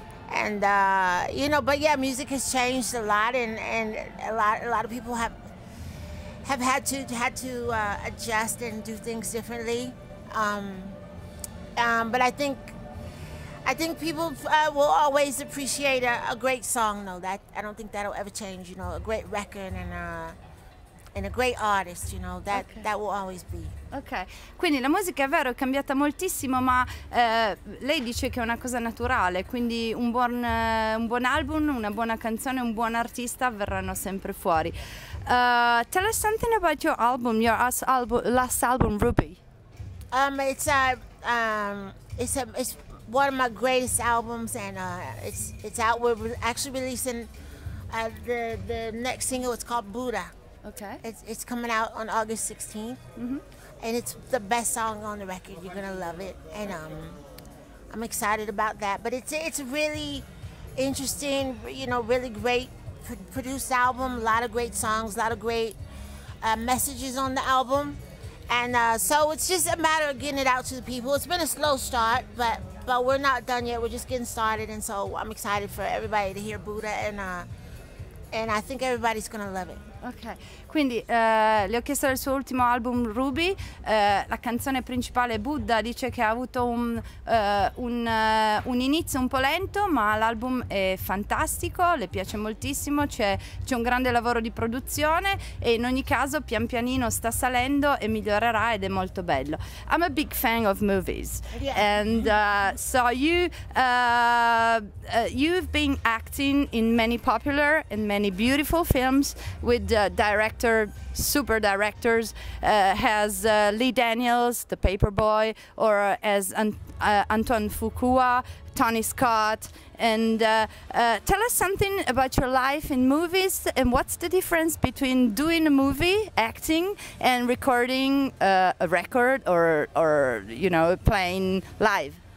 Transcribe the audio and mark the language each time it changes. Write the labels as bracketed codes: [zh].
[en] But music has changed a lot, and a lot of people have had to adjust and do things differently. But I think people will always appreciate a great song, though. That I don't think that'll ever change. You know, a great record and a great artist. You know, that will always be. [it] Ok, quindi la musica è vero, è cambiata moltissimo, ma lei dice che è una cosa naturale, quindi un buon album, una buona canzone, un buon artista verranno sempre fuori. [en] Tell us something about your album, last album, Ruby. It's one of my greatest albums, and it's out. We're actually releasing the next single. It's called Buddha. Okay. It's coming out on August 16th. Mm-hmm. And it's the best song on the record. You're gonna love it, and I'm excited about that. But it's really interesting, you know, really great produced album. A lot of great songs, a lot of great messages on the album, and so it's just a matter of getting it out to the people. It's been a slow start, but we're not done yet. We're just getting started, and so I'm excited for everybody to hear Buddha, and I think everybody's gonna love it. Okay. [it] Quindi le ho chiesto del suo ultimo album Ruby, la canzone principale Buddha. Dice che ha avuto un inizio un po' lento, ma l'album è fantastico, le piace moltissimo, c'è un grande lavoro di produzione, e in ogni caso pian pianino sta salendo e migliorerà, ed è molto bello. [en] I'm a big fan of movies. Yeah. And so you've been acting in many popular and many beautiful films with super directors has Lee Daniels, the Paperboy, or as Antoine Fuqua, Tony Scott, and tell us something about your life in movies, and what's the difference between doing a movie, acting, and recording a record or you know, playing live?